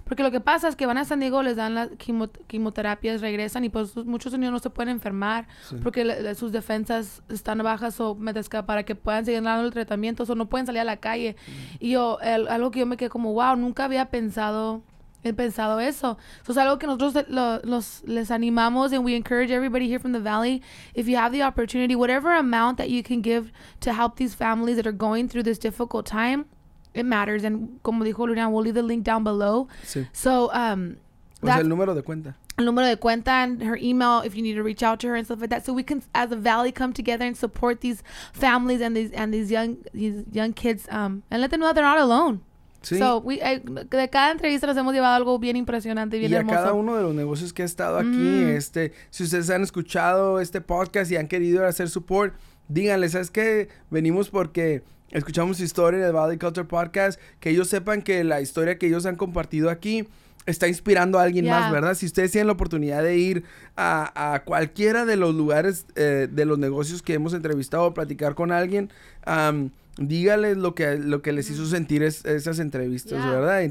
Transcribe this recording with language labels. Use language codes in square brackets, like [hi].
[es] Porque lo que pasa es que van a San Diego, les dan las quimioterapias, regresan y pues muchos niños no se pueden enfermar porque sus defensas están bajas o para que puedan seguir dando el tratamiento o no pueden salir a la calle. Y algo que yo me quedé como, wow, nunca había pensado he pensado eso. [en] So [es] es algo que nosotros les animamos, [en] and we encourage everybody here from the Valley, if you have the opportunity, whatever amount that you can give to help these families that are going through this difficult time, it matters. And [es] como dijo [en] Lurian, we'll leave the link down below. [es] Sí. [en] So, that's [es] el número de cuenta. El número de cuenta [en] and her email if you need to reach out to her and stuff like that. So we can, as a Valley, come together and support these families and these young kids, and let them know that they're not alone. [es] Sí. So de cada entrevista nos hemos llevado algo bien impresionante, bien y hermoso. Y a cada uno de los negocios que ha estado aquí, si ustedes han escuchado este podcast y han querido hacer support, díganles, ¿sabes qué? Venimos porque escuchamos su historia en el Valley Culture Podcast, que ellos sepan que la historia que ellos han compartido aquí está inspirando a alguien más, ¿verdad? Si ustedes tienen la oportunidad de ir a cualquiera de los lugares de los negocios que hemos entrevistado o platicar con alguien, dígales lo que les hizo sentir esas entrevistas, ¿verdad?